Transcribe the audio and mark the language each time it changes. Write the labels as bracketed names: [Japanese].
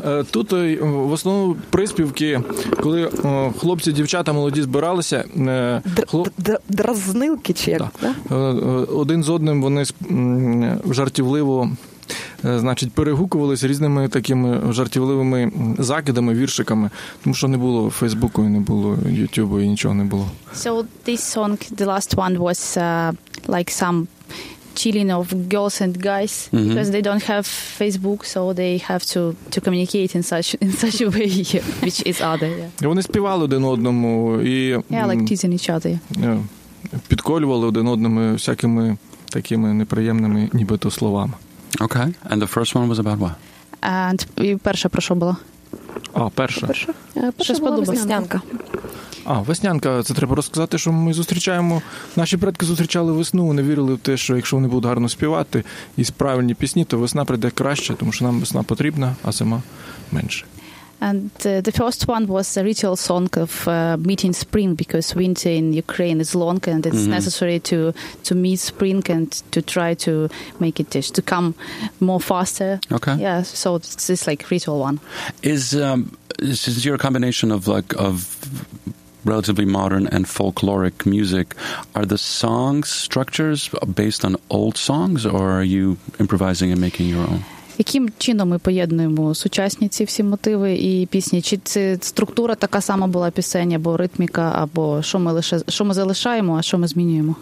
[Ukrainian] Тут в основному приспівки, коли хлопці, дівчата, молоді збиралися. Дразнилки чи як? Один з одним вони жартівливо, значить, перегукувалися різними такими жартівливими закидами, віршиками. Тому що не було Фейсбуку, не було Ютубу і нічого не було. [English] So this song, the last one, was like some chilling of girls and guys, mm-hmm. because they don't have Facebook, so they have to communicate in such a way, which is other. Yeah. [Ukrainian] Вони співали один одному і [English] like teasing each other. [Ukrainian] Підколювали один одному всякими такими неприємними нібито словами. [English] Okay. And the first one was about what? [Ukrainian] And і перша про що була? А, перша. Перша сподобалась Веснянка. А, Веснянка, це треба розказати, що ми зустрічаємо. Наші предки зустрічали весну, вони вірили в те, що якщо вони будуть гарно співати і правильні пісні, то весна прийде краще, тому що нам весна потрібна, а зима менше. [English] And the first one was a ritual song of meeting spring, because winter in Ukraine is long and it's mm-hmm. necessary to meet spring and to try to make it to come more faster. Okay. Yeah, so it's this like ritual one. Is your combination of like of relatively modern and folkloric music, are the song structures based on old songs or are you improvising and making your own? [Ukrainian] Яким чином ми поєднуємо сучасні ці всі мотиви і пісні? Чи це структура така сама була пісень, або ритміка, або що ми залишаємо, а що ми змінюємо?